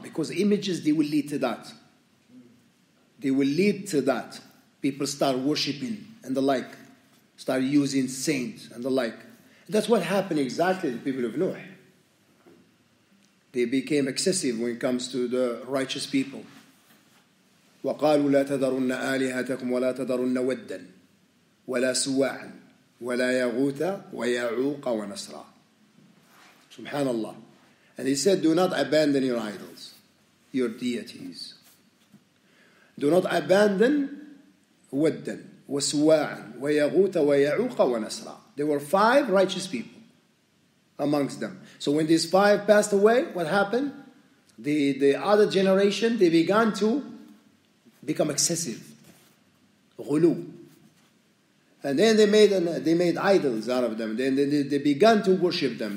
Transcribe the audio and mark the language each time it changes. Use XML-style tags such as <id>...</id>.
<en>Because images, they will lead to that. They will lead to that. People start worshipping and the like. Start using saints and the like. That's what happened exactly to the people of Nuh. They became excessive when it comes to the righteous people.</en> <ar>وقالوا لا تذرن آلهتكم ولا تذرن ودا ولا سواعا ولا يغوث ويعوق ونسرا. Subhanallah.</ar> <en>And he said, do not abandon your idols, your deities. Do not abandon</en> <ar>ودا وسواعا ويغوث ويعوق ونسرا.</ar> <en>There were five righteous people amongst them. So when these five passed away, what happened? The other generation, they began to become excessive, ghulu. And then they made idols out of them. Then they began to worship them.</en>